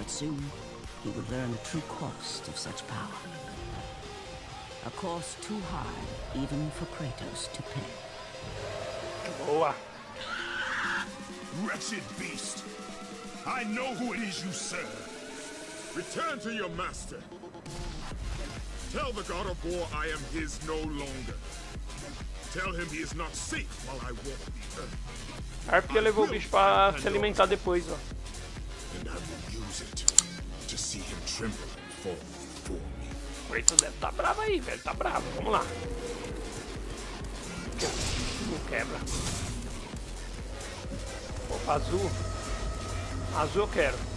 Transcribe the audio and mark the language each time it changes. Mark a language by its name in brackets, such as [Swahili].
[Portuguese] Mas logo, ele vai aprender o verdadeiro custo de tal poder. [English] A cost too high, even for Kratos to pay. [Portuguese] Boa. [English] Wretched beast! I know who it is you serve. Return to your master. Tell the god of war I am his no longer. Tell him he is not safe while I walk the earth. [Portuguese] Harpia levou o bicho para se alimentar depois, ó. [English] And I will use it to see him tremble and fall. [Portuguese] O Kratos deve tá bravo aí, velho. Tá bravo. Vamos lá. Não quebra. Opa, azul. Azul eu quero.